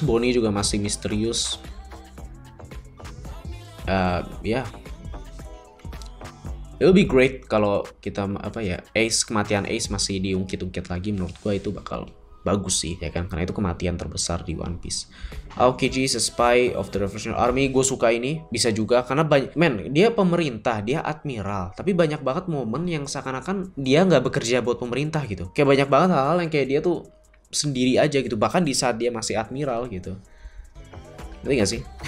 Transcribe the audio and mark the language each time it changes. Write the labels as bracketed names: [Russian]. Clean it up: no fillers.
[Indonesian] Bonnie juga masih misterius. It would be great kalau kita apa ya Ace, kematian Ace masih diungkit-ungkit lagi. Menurut gua itu bakal bagus sih ya kan, karena itu kematian terbesar di One Piece. [English] Aokiji is a spy of the Revolutionary Army. [Indonesian] Gua suka ini, bisa juga karena dia pemerintah, dia admiral, tapi banyak banget momen yang seakan-akan dia nggak bekerja buat pemerintah gitu. Kayak banyak banget hal-hal yang kayak dia tuh sendiri aja gitu, bahkan di saat dia masih admiral gitu. Ngerti nggak sih?